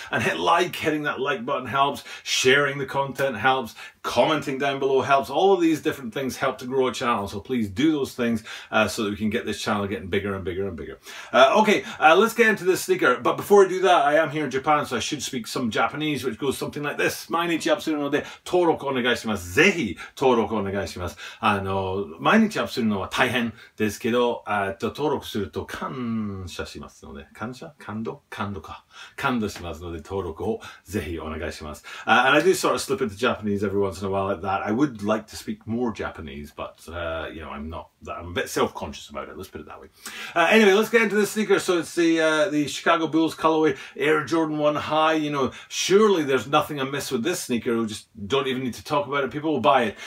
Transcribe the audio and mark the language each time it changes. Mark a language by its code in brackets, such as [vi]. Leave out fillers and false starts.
[en] And hit like. Hitting that like button helps. Sharing the content helps. Commenting down below helps. All of these different things help to grow a channel, so please do those things so that we can get this channel getting bigger and bigger and bigger. Okay, let's get into this sneaker. But before I do that, I am here in Japan, so I should speak some Japanese, which goes something like this. [ja] 毎日アプスルノで登録お願いします。ぜひ登録お願いします。毎日アプスルノは大変ですけど、登録すると感謝しますので、感謝？感動？感動か。感動しますので、登録をぜひお願いします。 [en] And I do sort of slip into Japanese every once in a while like that. I would like to speak more Japanese, but I'm not that. I'm a bit self-conscious about it, let's put it that way. Anyway, let's get into the sneaker. So it's the Chicago Bulls colorway Air Jordan 1 High. You know, surely there's nothing amiss with this sneaker. We just don't even need to talk about it. People will buy it.